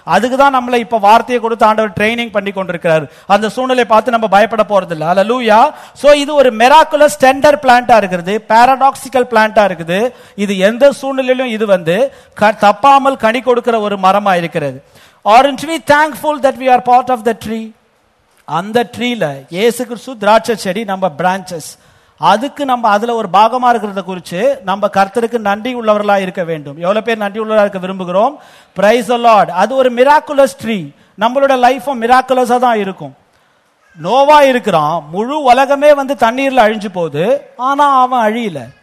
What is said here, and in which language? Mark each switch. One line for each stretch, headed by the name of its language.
Tamil: அதுக்குதான் நம்மள இப்ப வார்த்தையை கொடுத்து ஆண்டவர் ட்ரைனிங் பண்ணி கொண்டிருக்கிறாரு. அந்த சூழ்நிலையை பார்த்து நம்ம பயப்பட போறது இல்லை. ஹல்லேலூயா. சோ இது ஒரு மிராக்குலஸ் டெண்டர் பிளான்டா இருக்கிறது, பாராடாக்சிக்கல் பிளான்டா இருக்குது. இது எந்த சூழ்நிலையிலும் இது வந்து தப்பாமல் கனி கொடுக்கிற ஒரு மரமா இருக்கிறது.
English: Aren't we thankful that we are part of the tree?
Tamil: அந்த ட்ரீல இயேசு கிறிஸ்து திராட்சை செடி, நம்ம பிரான்சஸ். அதுக்கு நம்ம அதுல ஒரு பாகமா இருக்கிறத குறிச்சு நம்ம கர்த்தருக்கு நன்றி உள்ளவர்களா இருக்க வேண்டும். எவ்வளவு பேர் நன்றி உள்ளவராக இருக்க விரும்புகிறோம்?
English: Praise the Lord.
Tamil: அது ஒரு மிராக்குலஸ் ட்ரீ. நம்மளோட லைஃபும் மிராக்குலஸா தான் இருக்கும். நோவா இருக்கிறான், முழு உலகமே வந்து தண்ணீர்ல அழிஞ்சு போகுது, ஆனா அவன் அழியில.